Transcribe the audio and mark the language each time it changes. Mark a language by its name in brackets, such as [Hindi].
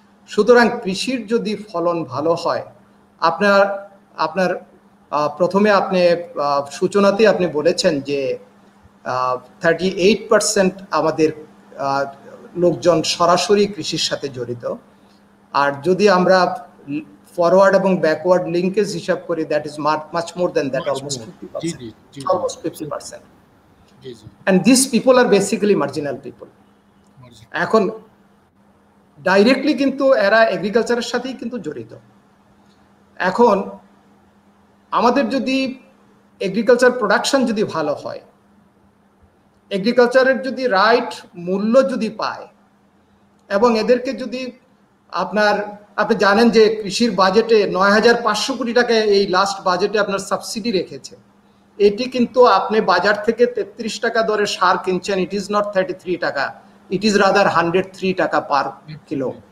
[Bangla] সুতরাং কৃষির যদি ফলন ভালো হয়, আপনার আপনার প্রথমে আপনি সূচনাতেই আপনি বলেছেন যে 38% আমাদের লোকজন সরাসরি কৃষির সাথে জড়িত, আর যদি আমরা ফরওয়ার্ড এবং ব্যাকওয়ার্ড লিংকেজ হিসাব করি [English] That is much more than that almost 50%. And these people are basically marginal people. [Bangla] এখন ডাইরেক্টলি কিন্তু এরা এগ্রিকালচারের সাথেই কিন্তু জড়িত। এখন আমাদের যদি এগ্রিকালচার প্রোডাকশন যদি ভালো হয়, এগ্রিকালচারের যদি রাইট মূল্য যদি পায়, এবং এদেরকে যদি আপনার, আপনি জানেন যে কৃষির বাজেটে 9,500 কোটি টাকা এই লাস্ট বাজেটে আপনার সাবসিডি রেখেছে, এটি কিন্তু আপনি বাজার থেকে 33 টাকা দরে সার কিনছেন, [English] It is not 33 টাকা, it is rather 103 টাকা per kilo.